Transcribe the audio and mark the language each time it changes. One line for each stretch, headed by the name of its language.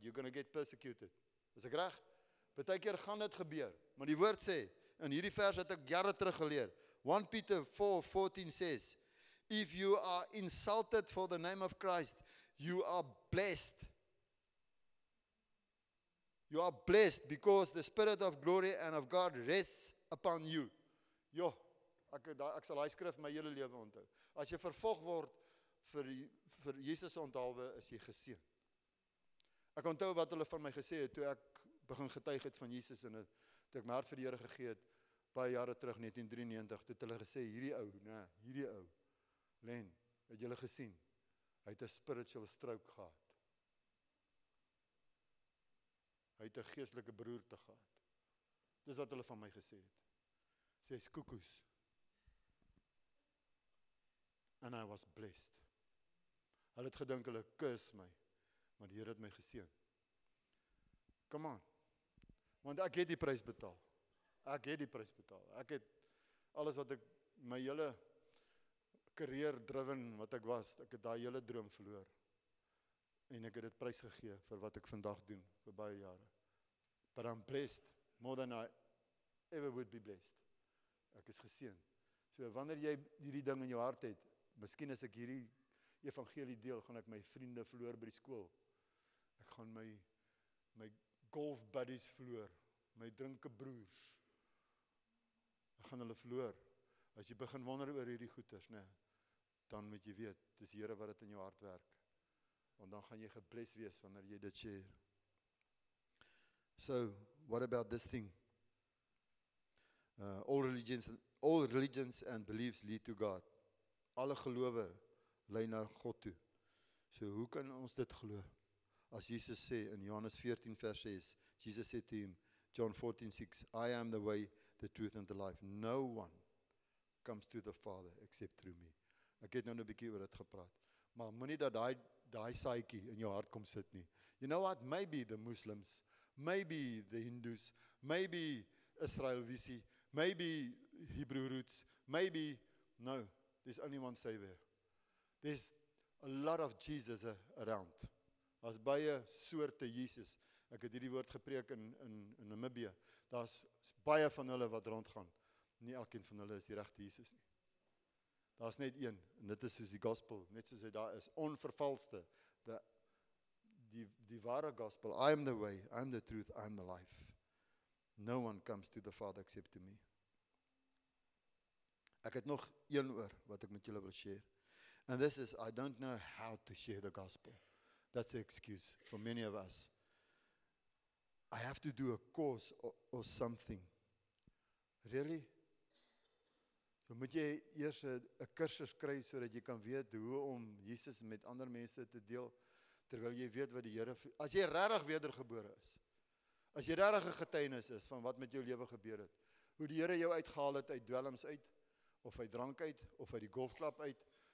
English: You're going to get persecuted. Is it right?
Afrikaans: Partykeer gaan dit gebeur, maar die woord sê, in hierdie vers het ek jare terug geleer,
English: 1 Peter 4:14 says, if you are insulted for the name of Christ, you are blessed. You are blessed because the spirit of glory and of God rests upon you.
Afrikaans: Jo, ek sal hy skrif my hele lewe onthou. As jy vervolg word vir Jesus onthaalwe, is jy geseen. Ek onthou wat hulle van my gesê het toe ek begin getuig het van Jesus en het ek my hart vir die Here gegee het, baie jare terug, 1993, toe het hulle gesê, hierdie ou, Len, het julle gesien? Hy het 'n spiritual stroke gehad. Hy het 'n geestelike beroerte gehad. Dis wat hulle van my gesê het. Sê hy's koekoes.
English: And I was blessed.
Afrikaans: Hulle het gedink hulle kus my, maar die Here het my geseën.
English: Come on.
Afrikaans: Want ek het die prys betaal. Ek het die prys betaal. Ek het alles wat ek, my hele career driven wat ek was, ek het daai hele droom verloor. En ek het dit prys gegee vir wat ek vandag doen, vir baie jare.
English: But I'm blessed, more than I ever would be blessed.
Afrikaans: Ek is geseën. So wanneer jy hierdie ding in jou hart het, miskien as ek hierdie evangelie deel, gaan ek my vriende verloor by die skool. Ek gaan my golf buddies verloor, my drinkebroers. Ek gaan hulle verloor. As jy begin wonder oor hierdie goeders, nee, dan moet jy weet, dis Here wat dit in jou hart werk. Want dan gaan jy gebless wees wanneer jy dit share.
English: So, what about this thing? All religions and beliefs lead to God.
Afrikaans: Alle gelowe lei na God toe. So, hoe kan ons dit glo? As Jesus sê in Johannes 14 vers 6, Jesus sê
English: to him, John 14, 6, I am the way, the truth and the life. No one comes to the Father except through me.
Afrikaans: Ek het nou 'n bietjie oor dit gepraat. Maar moenie dat daai saaitjie in jou hart kom sit nie.
English: You know what? Maybe the Muslims, maybe the Hindus, maybe Israel visie, maybe Hebrew roots, maybe, no, there's only one Savior. There's a lot of Jesus around.
Afrikaans: Daar's baie soorte Jesus. Ek het hierdie woord gepreek in Namibia. Daar's baie van hulle wat rondgaan. Nie elkeen van hulle is die regte Jesus nie. Daar's net een, en dit is soos die gospel, net soos hy daar is, onvervalste, die ware gospel. I am the way, I am the truth, I am the life. No one comes to the Father except to me. Ek het nog een oor wat ek met julle wil share.
English: And this is, I don't know how to share the gospel. That's an excuse for many of us. I have to do a course or something. Really?
Afrikaans: So moet jy eers 'n kursus kry sodat jy kan weet hoe om Jesus met ander mense te deel terwyl jy weet wat die Here, as jy regtig wedergebore is. As jy regtig 'n getuienis is van wat met jou lewe gebeur het. Hoe die Here jou uitgehaal het uit dwelms uit of uit drank uit of uit die golfklap uit.